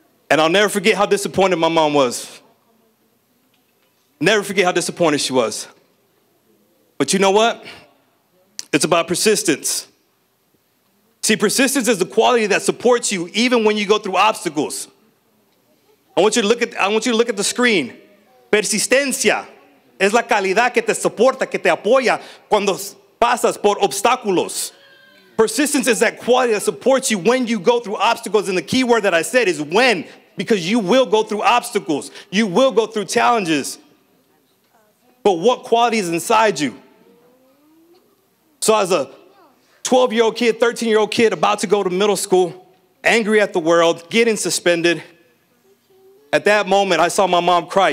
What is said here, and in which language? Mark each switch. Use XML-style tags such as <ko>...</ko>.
<en>And I'll never forget how disappointed my mom was. Never forget how disappointed she was. But you know what? It's about persistence. See, persistence is the quality that supports you even when you go through obstacles. I want you to look at the screen.</en> <es>Persistencia es la calidad que te soporta, que te apoya cuando pasas por obstáculos.</es> <en>Persistence is that quality that supports you when you go through obstacles. And the key word that I said is when, because you will go through obstacles. You will go through challenges. But what quality is inside you? So as a 12-year-old kid, 13-year-old kid about to go to middle school, angry at the world, getting suspended, at that moment, I saw my mom cry.</en>